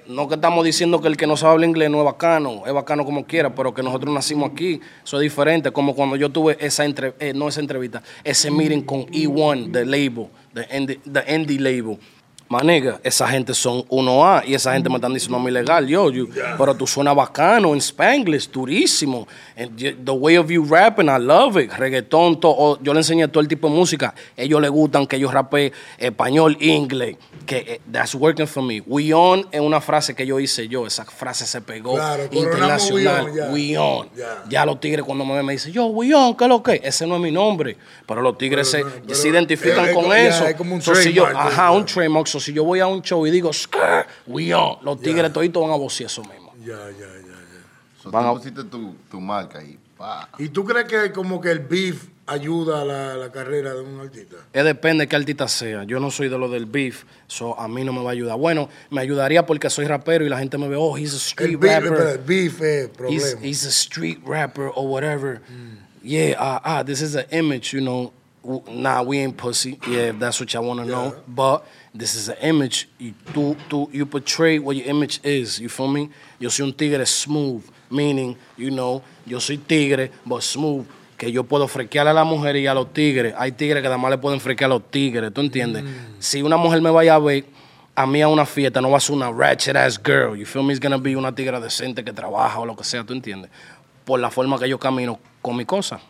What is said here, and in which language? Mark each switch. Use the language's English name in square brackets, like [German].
[Spanish] No que estamos diciendo que el que no sabe hablar inglés no es bacano. Es bacano como quiera, pero que nosotros nacimos aquí. Eso es diferente, como cuando yo tuve esa entrevista, ese meeting con E1, [English] the label, the indie label. [Spanish] Manega, esa gente son 1A y esa gente me están diciendo a mí legal, yo. Pero tú suenas bacano en Spanglish, durísimo. [English] And the way of you rapping, I love it. [Spanish] Reggaetón, todo. Yo le enseñé todo el tipo de música. Ellos les gustan que yo rape español, inglés. Que [English] that's working for me. We on [Spanish] es una frase que yo hice yo. Esa frase se pegó claro, internacional. [English] We on. [Spanish] Ya los tigres cuando me dicen, yo, [English] we on, [Spanish] ¿qué es lo que? Ese no es mi nombre. Pero los tigres se identifican con eso. Es como un trademark. Un trademark. O si yo voy a un show y digo, [English] we on, [Spanish] los tigres toditos van a vocear eso mismo. Ya. So tú pusiste tu marca ahí. Pa. ¿Y tú crees que como que el beef ayuda a la carrera de un artista? Depende de qué artista sea. Yo no soy de lo del beef, so a mí no me va a ayudar. Bueno, me ayudaría porque soy rapero y la gente me ve, [English] oh, he's a street [Spanish] el beef, [English] rapper. [Spanish] El beef es problema. [English] He's a street rapper or whatever. Yeah, this is an image, you know. Nah, we ain't pussy. Yeah, if that's what y'all want to know. But this is an image. You portray what your image is. You feel me? [Spanish] Yo soy un tigre smooth. [English] Meaning, you know, [Spanish] yo soy tigre, [English] but smooth. [Spanish] Que yo puedo frequear a la mujer y a los tigres. Hay tigres que además le pueden frequear a los tigres. ¿Tú entiendes? Si una mujer me vaya a ver a mí a una fiesta, no va a ser una [English] ratchet ass girl. You feel me? It's going to be [Spanish] una tigre decente que trabaja o lo que sea. ¿Tú entiendes? Por la forma que yo camino con mi cosa.